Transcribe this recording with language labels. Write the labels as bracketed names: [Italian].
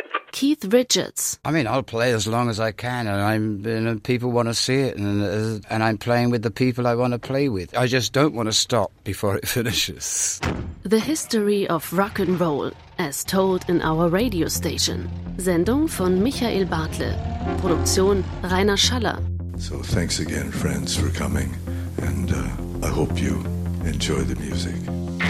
[English] Keith Richards. I mean, I'll play as long as I can, and people want to see it, and I'm playing with the people I want to play with. I just don't want to stop before it finishes. The history of rock and roll, as told in our radio station. [German] Sendung von Michael Bartle. Produktion Rainer Schaller. [English] So thanks again, friends, for coming, and I hope you enjoy the music.